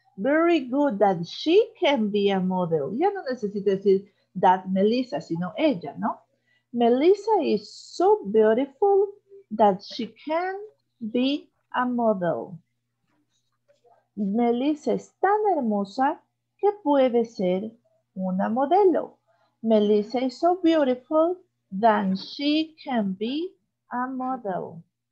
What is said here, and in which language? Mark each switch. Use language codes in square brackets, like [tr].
[en] Very good that she can be a model. [es] Ya no necesito decir [en] that Melissa, [es] sino ella, ¿no? [en] Melissa is so beautiful that she can be a model. [es] Melissa es tan hermosa que puede ser una modelo. [en] Melissa is so beautiful that she can be a model.